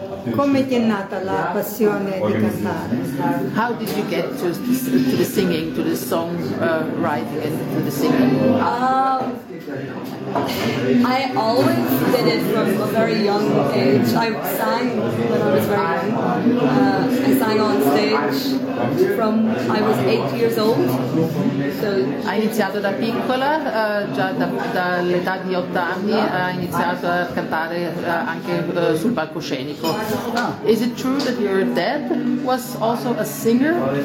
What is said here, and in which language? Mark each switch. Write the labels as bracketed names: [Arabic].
[Italian] Come ti è nata la passione di cantare? [English] How did you get to the singing, to the song writing and to the singing? I always did it from a very young age. I sang when I was very young. I sang on stage from I was 8 years old. So [Italian] ha iniziato da piccola, già dall'età di 8 anni ha iniziato a cantare anche sul palcoscenico. [English] Is it true that your dad was also a singer?